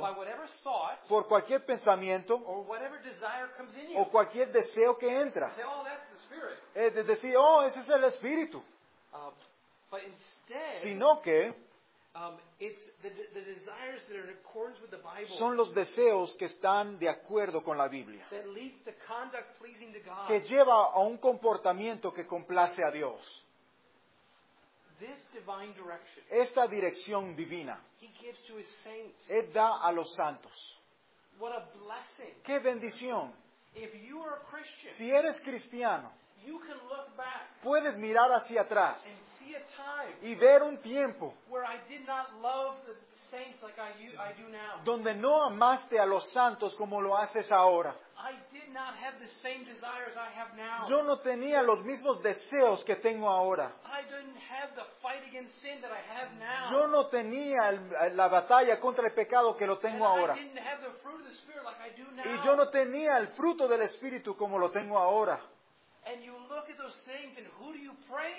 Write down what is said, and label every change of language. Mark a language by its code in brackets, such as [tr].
[en] by whatever thought, [es] por cualquier pensamiento [en] or whatever desire comes in you, [es] o cualquier deseo que entra. [en] Say, oh, that's the Spirit. [es] Decir, oh, ese es el Espíritu. [en] But instead, [es] sino que [en] it's the desires that are in accordance with the Bible, [es] son los deseos que están de acuerdo con la Biblia, [en] that lead to conduct pleasing to God, [es] que lleva a un comportamiento que complace a Dios. [en] This divine direction, [es] esta dirección divina, [en] He gives to His saints, [es] Él da a los santos. [en] What a blessing. [es] Qué bendición. [en] If you are a Christian, [es] si eres cristiano, [en] you can look back, [es] puedes mirar hacia atrás [en] and see a time, [es] y ver un tiempo [en] where I did not love the saints like I do now, [es] donde no amaste a los santos como lo haces ahora. [en] I did not have the same desires I have now. [es] Yo no tenía los mismos deseos que tengo ahora. [en] I didn't have the fight against sin that I have now. [es] Yo no tenía la batalla contra el pecado que lo tengo ahora. [en] I didn't have the fruit of the Spirit like I do now. [es] Y yo no tenía el fruto del Espíritu como lo tengo ahora. [en] And you look at those things, and who do you praise?